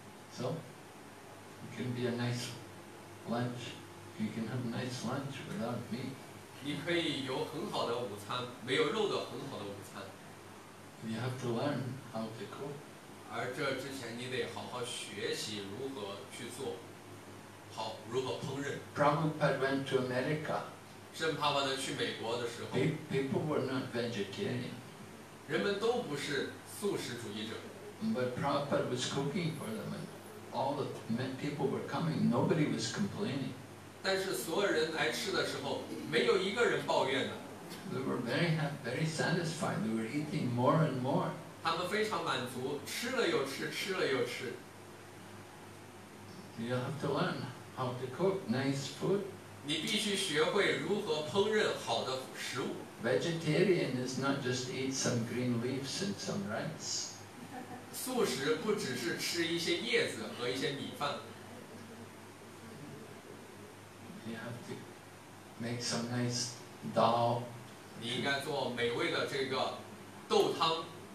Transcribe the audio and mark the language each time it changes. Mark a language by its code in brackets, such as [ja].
[en] So, you can be a nice lunch. You can have a nice lunch without meat. [zh] 你可以有很好的午餐，没有肉的很好的午餐。 [en] You have to learn how to cook. [zh] 而这之前，你得好好学习如何去做，好如何烹饪。 [en] Prabhupada went to America. [zh] 圣帕帕呢去美国的时候 [en] ，People were not vegetarian. [zh] 人们都不是素食主义者。 [en] But Prabhupada was cooking for them, and all the people were coming. Nobody was complaining. [zh] 但是所有人来吃的时候，没有一个人抱怨的。 [en] They were very happy, very satisfied. They were eating more and more. [zh] 他们非常满足，吃了又吃，吃了又吃。 [en] You have to learn how to cook nice food. [zh] 你必须学会如何烹饪好的食物。 [en] Vegetarian is not just eat some green leaves and some rice. [zh] 素食不只是吃一些叶子和一些米饭。 [en] You have to make some nice dal. [zh] 你应该做美味的这个豆汤。